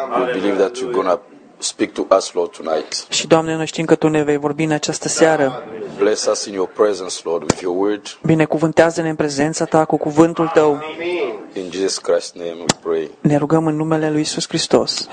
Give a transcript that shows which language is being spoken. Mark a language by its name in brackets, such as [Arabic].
[English] We believe that you're gonna speak to us, Lord, tonight. [Romanian] Și Doamne, noi știm că Tu ne vei vorbi în această seară. [English] Bless us in your presence, Lord, with your word. [Romanian] Binecuvântează-ne în prezența Ta cu cuvântul Tău. [English] In Jesus Christ's name we pray. [Romanian] Ne rugăm în numele lui Iisus Hristos.